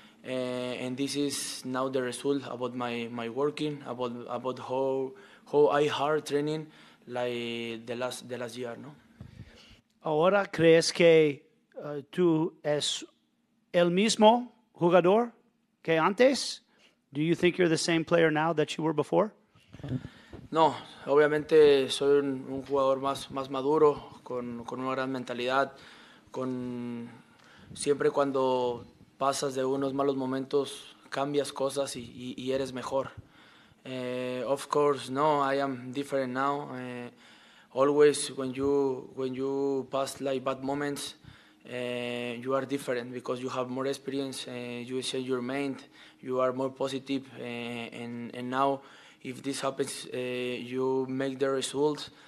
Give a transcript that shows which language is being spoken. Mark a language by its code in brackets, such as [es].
[en] And this is now the result about my working, about how I hard training like the last year, no? [es] Ahora crees que tú es el mismo jugador que antes? [en] Do you think you're the same player now that you were before? [es] No, obviamente soy un jugador más maduro, con una gran mentalidad, con siempre cuando pasas de unos malos momentos, cambias cosas y eres mejor. [en] Of course, no, I am different now. Always when you pass like bad moments, you are different because you have more experience. You change your mind. You are more positive. And now, if this happens, you make the results.